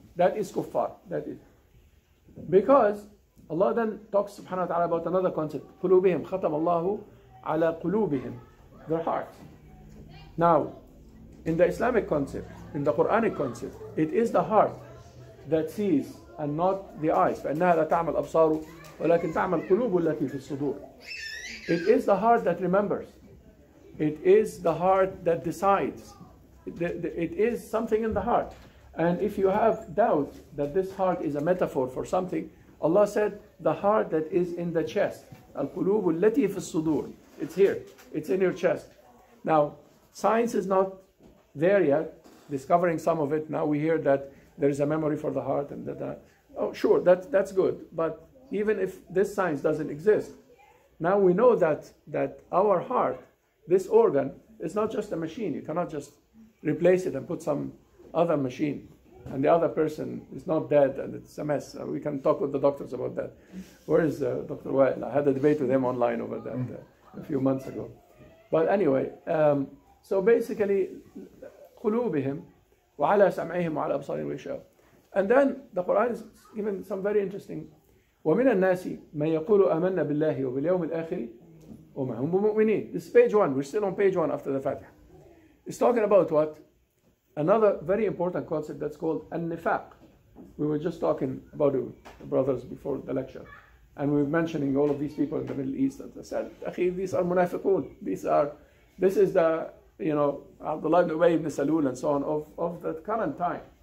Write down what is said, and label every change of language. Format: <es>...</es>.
<en>That is kuffar. That is. Because Allah then talks subhanahu wa ta'ala about another concept.</en> <ar>قلوبهم. ختم الله على قلوبهم.</ar> <en>Their hearts. Now, in the Islamic concept, in the Quranic concept, it is the heart that sees and not the eyes.</en> <ar>فإنها لا تعمل أبصار ولكن تعمل قلوب التي في الصدور.</ar> <en>It is the heart that remembers. It is the heart that decides. It is something in the heart. And if you have doubt that this heart is a metaphor for something, Allah said, the heart that is in the chest.</en> <ar>Al-qulubu allati fi al-sudur.</ar> <en>It's here. It's in your chest. Now, science is not there yet, discovering some of it. Now we hear that there is a memory for the heart and that. Oh, sure, that's good. But even if this science doesn't exist, now we know that our heart, this organ, is not just a machine. You cannot just replace it and put some other machine. and the other person is not dead and it's a mess. We can talk with the doctors about that. Where is Dr. Wael? I had a debate with him online over that a few months ago. But anyway, so basically,</en> <ar>قلوبهم وعلى سمعهم وعلى أبصارهم غشاوة.</ar> <en>And then the Quran is given some very interesting.</en> <ar>ومن الناس من يقول آمنا بالله وباليوم الآخر وما هم بمؤمنين.</ar> <en>This is page one. We're still on page one after the Fatiha. It's talking about what? Another very important concept that's called النفاق. We were just talking about it with brothers before the lecture. And we were mentioning all of these people in the Middle East. And I said, أخي, these are منافقون. These are, this is the, you know, Abdullah ibn Ubay ibn Salul and so on of that current time.</en>